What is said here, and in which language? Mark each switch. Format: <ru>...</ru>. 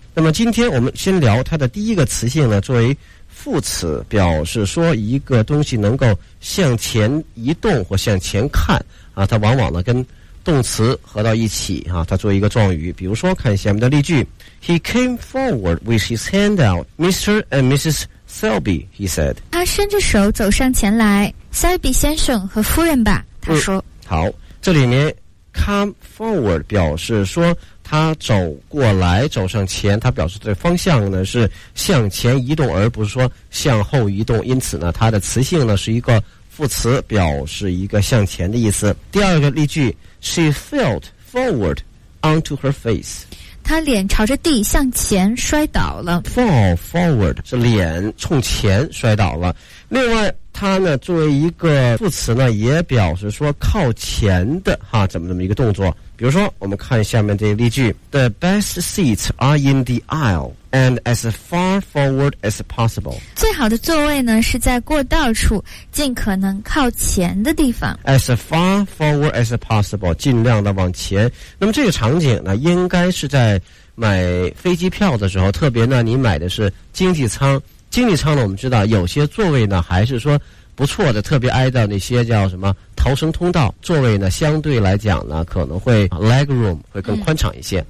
<zh>那么今天我们先聊它的第一个词性呢，作为副词表示说一个东西能够向前移动或向前看啊，它往往呢跟动词合到一起啊，它做一个状语。比如说看下面的例句</zh> <en>，He came forward with his hand out. Mr. and Mrs. Selby, he said.</en> <zh>他伸着手走上前来 ，Selby 先生和夫人吧，他说。好，这里面 come forward 表示说他走过来走上前，他表示这方向呢是向前移动，而不是说向后移动。因此呢，它的词性呢是一个副词，表示一个向前的意思。第二个例句</zh> <en>，She fell forward onto her face。</en> <zh>她脸朝着地向前摔倒了。</zh> <en>Fall forward</en> <zh>是脸冲前摔倒了。另外，它呢作为一个副词呢，也表示说靠前的哈，怎么一个动作。比如说我们看下面这个例句</zh> <en>The best seats are in the aisle and as far forward as possible</en> <zh>最好的座位呢是在过道处尽可能靠前的地方</zh> <en>as far forward as possible</en> <zh>尽量的往前那么这个场景呢应该是在买飞机票的时候特别呢你买的是经济舱经济舱呢我们知道有些座位呢还是说不错的特别挨到那些叫什么逃生通道座位呢相对来讲呢可能会 leg room 会更宽敞一些、</zh>